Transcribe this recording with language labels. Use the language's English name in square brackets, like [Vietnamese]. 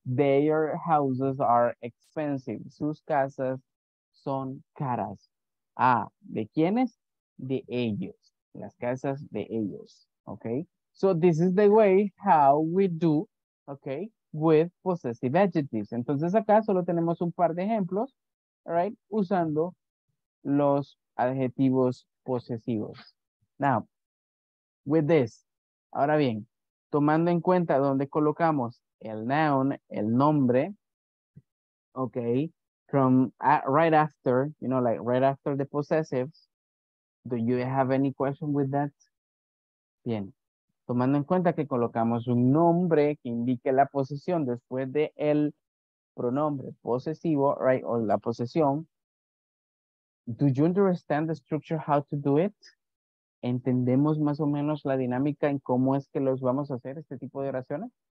[English] Their houses are expensive. [Spanish] Sus casas son caras. Ah, ¿de quiénes? De ellos. Las casas de ellos. Okay. [English] So this is the way how we do, okay, with possessive adjectives. [Spanish] Entonces acá solo tenemos un par de ejemplos, right, usando los adjetivos posesivos. [English] Now, with this, [Spanish] ahora bien, tomando en cuenta dónde colocamos el noun, el nombre, [English] okay, from right after, you know, like right after the possessives. Do you have any question with that? [Spanish] Bien, tomando en cuenta que colocamos un nombre que indique la posesión después de el pronombre posesivo, right, o la posesión. [English] Do you understand the structure how to do it? [Spanish] ¿Entendemos más o menos la dinámica en cómo es que los vamos a hacer este tipo de oraciones?